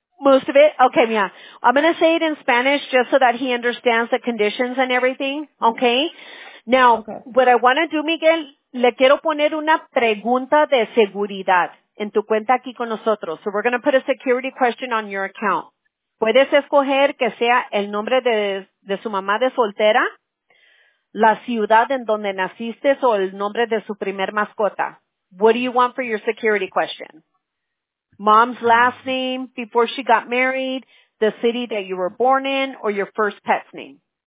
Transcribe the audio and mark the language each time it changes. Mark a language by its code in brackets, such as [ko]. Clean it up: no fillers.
[en] Most of it? Okay, yeah. I'm going to say it in Spanish just so that he understands the conditions and everything, okay? Now, okay. What I want to do, [es] Miguel, le quiero poner una pregunta de seguridad en tu cuenta aquí con nosotros. [en] So we're going to put a security question on your account. [es] Puedes escoger que sea el nombre de su mamá de soltera, la ciudad en donde naciste o el nombre de su primer mascota. [en] What do you want for your security question? Mom's last name, before she got married, the city that you were born in, or your first pet's name?